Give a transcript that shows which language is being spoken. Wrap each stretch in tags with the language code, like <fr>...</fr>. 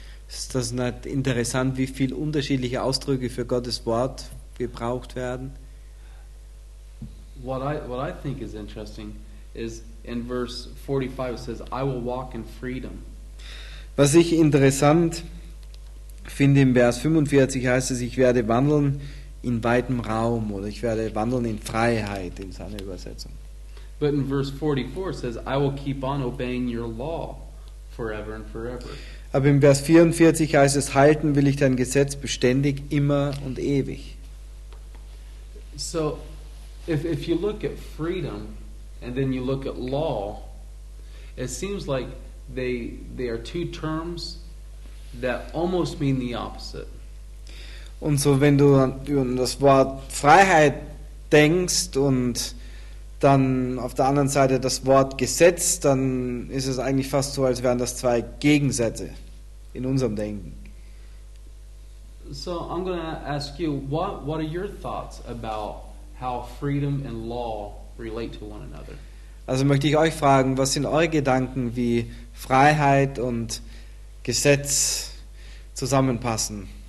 <de>Ist das nicht interessant, wie viele unterschiedliche Ausdrücke für Gottes Wort gebraucht werden?</de> <en>What I think is interesting is in verse 45 it says, I will walk in freedom.</en> <de>Was ich interessant finde, im Vers 45 heißt es, ich werde wandeln in weitem Raum, oder ich werde wandeln in Freiheit, in seiner Übersetzung.</de> <en>But in verse 44 it says, I will keep on obeying your law forever and forever.</en> <de>Aber im Vers 44 heißt es, halten will ich dein Gesetz beständig, immer und ewig.</de> <en>So, if you look at freedom, and then you look at law, it seems like they are two terms that almost mean the opposite.</en> <de>Und so, wenn du an das Wort Freiheit denkst und dann auf der anderen Seite das Wort Gesetz, dann ist es eigentlich fast so, als wären das zwei Gegensätze in unserem Denken.</de> <en>So I'm going to ask you, what are your thoughts about how freedom and law relate to one another?</en> <de>Also möchte ich euch fragen, was sind eure Gedanken, wie Freiheit und Gesetz zusammenpassen?</de>